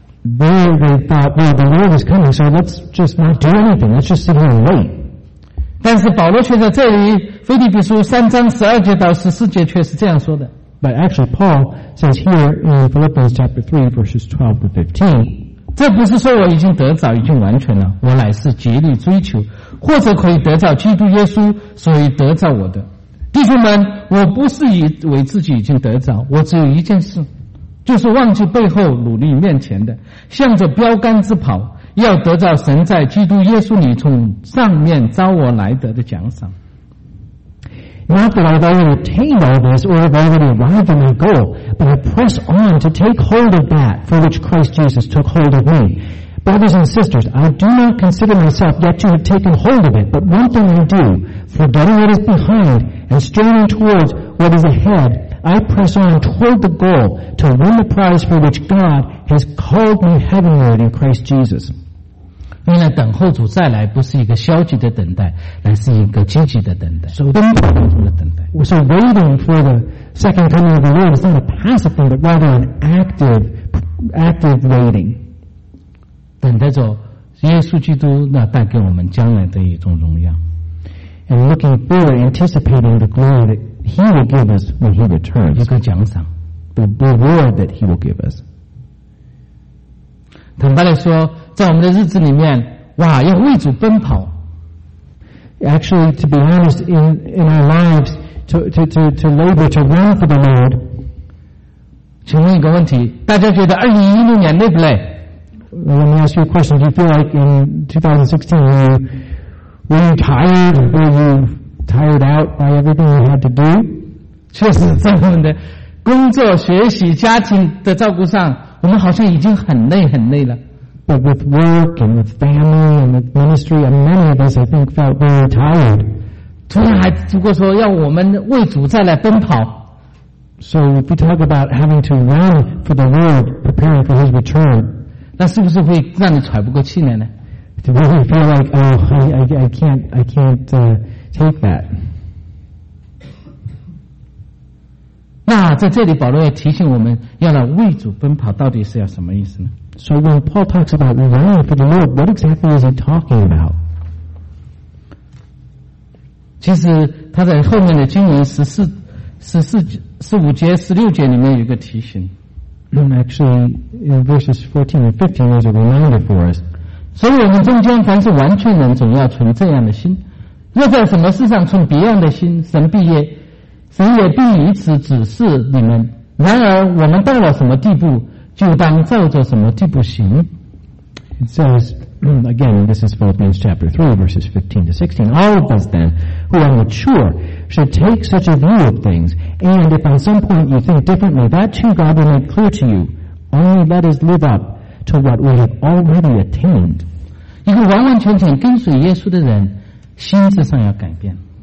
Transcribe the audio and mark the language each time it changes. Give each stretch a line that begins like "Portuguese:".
English: They thought, well, the Lord is coming, so let's just not do anything. Let's just sit here and wait.
Chinese: 但是保罗却在这里，腓立比书三章十二节到十四节却是这样说的。
English: But actually, Paul says here in Philippians chapter 3, verses 12 to 15,
Chinese: 这不是说我已经得着，已经完全了，我乃是竭力追求，或者可以得着基督耶稣，所以得着我的。弟兄们，我不是以为自己已经得着，我只有一件事，就是忘记背后，努力面前的，向着标杆之跑，要得着神在基督耶稣里从上面召我来得的奖赏。
English: Not that I've already attained all this or have already arrived at my goal, but I press on to take hold of that for which Christ Jesus took hold of me. Brothers and sisters, I do not consider myself yet to have taken hold of it, but one thing I do, forgetting what is behind and straining towards what is ahead, I press on toward the goal to win the prize for which God has called me heavenward in Christ Jesus.
Chinese: 因为等候主再来不是一个消极的等待，而是一个积极的等待。
English: So So waiting for the second coming of the Lord is not a passive thing, but rather an active waiting.
Chinese: 等待着耶稣基督那带给我们将来的一种荣耀。
English: And looking forward, anticipating the glory that He will give us when He returns.
Chinese: 一个奖赏。
English: The reward that He will give us.
Chinese: 坦白来说，在我们的日子里面，哇，要为主奔跑。
English: Actually, to be honest, in our lives, to labor, to run for the Lord.
Chinese: 请问一个问题，大家觉得2016年累不累
English: ？Let me ask you a question. Do you feel like in 2016, were you tired? Were you tired out by everything you had to do?
Chinese: 确实，在我们的工作、学习、家庭的照顾上。我们好像已经很累很累了。
English: But with work and with family and with ministry, and many of us, I think, felt very tired.
Chinese: 突然还如果说要我们为主再来奔跑。
English: So if we talk about having to run for the Lord, preparing for His return,
Chinese: 那是不是会让你喘不过气来呢
English: ？Do we feel like, oh, I can't take that?
Chinese: 那在这里保罗也提醒我们要来为主奔跑到底是要什么意思呢
English: So when Paul talks about running for the Lord, what exactly is he talking about?
Chinese: 其实他在后面的经文14-16节里面有一个提醒
English: Actually, in verses 14 and 15, there's a reminder for us.
Chinese: 所以我们中间凡是完全人总要存这样的心若在什么事上存别样的心神必也神也必以此指示你们然而我们到了什么地步就当照着什么地步行
English: It says again this is Philippians chapter 3 verses 15-16 all of us then who are mature should take such a view of things and if on some point you think differently that too God will make clear to you only let us live up to what we have already attained
Chinese: 一个完完全全跟随耶稣的人心智上要改变